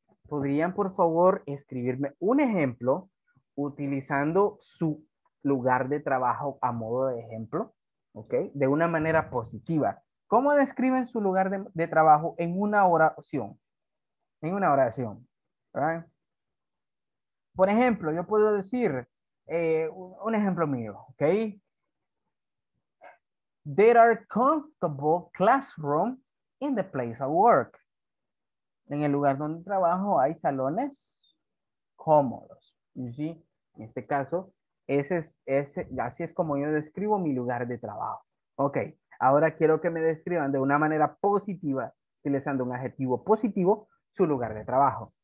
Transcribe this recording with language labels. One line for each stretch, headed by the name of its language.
Spanish: ¿Podrían, por favor, escribirme un ejemplo utilizando su lugar de trabajo a modo de ejemplo? ¿Ok? De una manera positiva. ¿Cómo describen su lugar de trabajo en una oración? En una oración. Right? Por ejemplo, yo puedo decir un ejemplo mío. ¿Ok?
English: There are comfortable classrooms in the place of work.
Spanish: En el lugar donde trabajo hay salones cómodos.
English: You see?
Spanish: En este caso, así es como yo describo mi lugar de trabajo. Ok, ahora quiero que me describan de una manera positiva, utilizando un adjetivo positivo, su lugar de trabajo.